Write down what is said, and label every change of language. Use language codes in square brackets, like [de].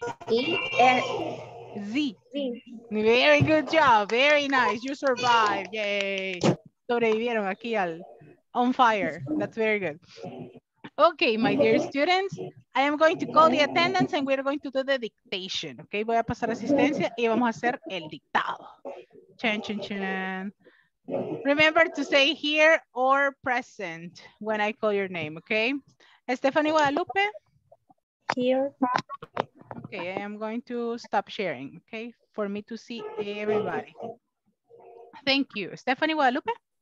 [en] Z. Very good job. Very nice. You survived. Yay. [es] Sobrevivieron aquí al on fire. [en] That's very good. Okay, my dear students, I am going to call the attendance and we're going to do the dictation. [es] Okay, voy a pasar asistencia y vamos a hacer el dictado. Chan, chan, chan. [en] Remember to say here or present when I call your name, okay? Stephanie Guadalupe? Here. Okay, I am going to stop sharing, okay? For me to see everybody. Thank you. Stephanie Guadalupe?